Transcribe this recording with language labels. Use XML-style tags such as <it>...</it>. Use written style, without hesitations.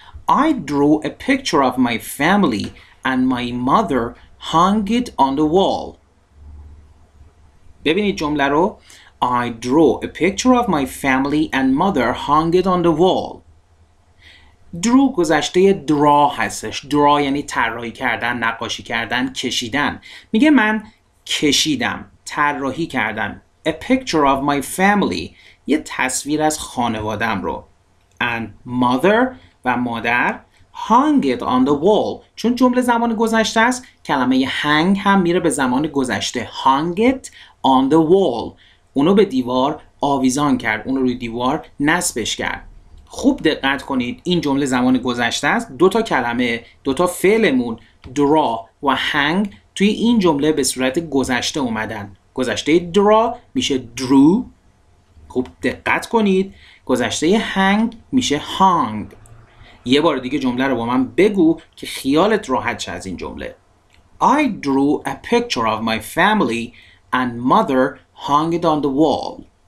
<en>I drew a picture of my family and my mother hung it on the wall.</en> <fa>ببینید جمله رو.</fa> <en>I drew a picture of my family and mother hung it on the wall.</en> <fa>Draw گذشته draw هستش. Draw یعنی طراحی کردن، نقاشی کردن، کشیدن. میگه من کشیدم، طراحی کردم.</fa> <en>A picture of my family،</en> <fa>یه تصویر از خانوادم رو.</fa> <en>And mother</en> <fa>و مادر</fa> <en>hung it on the wall.</en> <fa>چون جمله زمان گذشته است، کلمه hang هم میره به زمان گذشته.</fa> <en>Hung it on the wall.</en> <fa>اونو به دیوار آویزان کرد، اونو روی دیوار نصبش کرد. خوب دقت کنید این جمله زمان گذشته است. دو تا کلمه، دو تا فعلمون draw و hang توی این جمله به صورت گذشته اومدن. گذشته draw میشه drew. خوب دقت کنید گذشته hang میشه hung. یه بار دیگه جمله رو با من بگو که خیالت راحت شه از این جمله.</fa> <en>I drew a picture of my family and mother hung it on the wall.</en>